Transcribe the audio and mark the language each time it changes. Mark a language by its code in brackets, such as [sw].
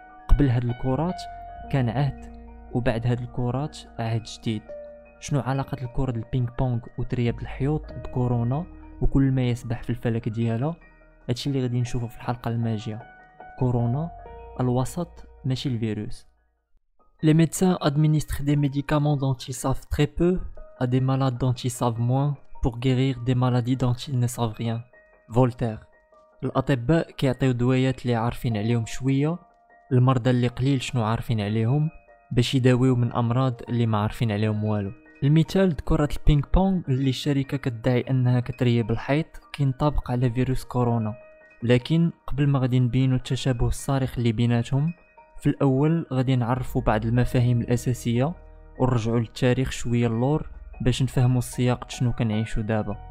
[ar] قبل هاد الكرات كان عهد وبعد هاد الكرات عهد جديد. شنو علاقه الكره البينج بونغ وترياب الحيوط بكورونا وكل ما يسبح في الفلك ديالها؟ هادشي اللي غادي نشوفه في الحلقه الماجيه. كورونا الوسط ماشي الفيروس. [fr] Les médecins administrent des médicaments dont ils savent très peu à des malades dont ils savent moins pour guérir des maladies dont ils ne savent rien. Voltaire. [ar] الأطباء كيعطيو دويات اللي عارفين عليهم شوية المرضى اللي قليل شنو عارفين عليهم باش يداويو من أمراض اللي ما عارفين عليهم والو. المثال كرة البينج بونغ اللي الشركة كتدعي أنها كتريب الحيط كينطبق على فيروس كورونا، لكن قبل ما غادي نبينو التشابه الصارخ اللي بيناتهم في الأول غادي نعرفو بعض المفاهيم الأساسية ونرجعو للتاريخ شوية اللور باش نفهموا السياق شنو كنعيشوا دابا.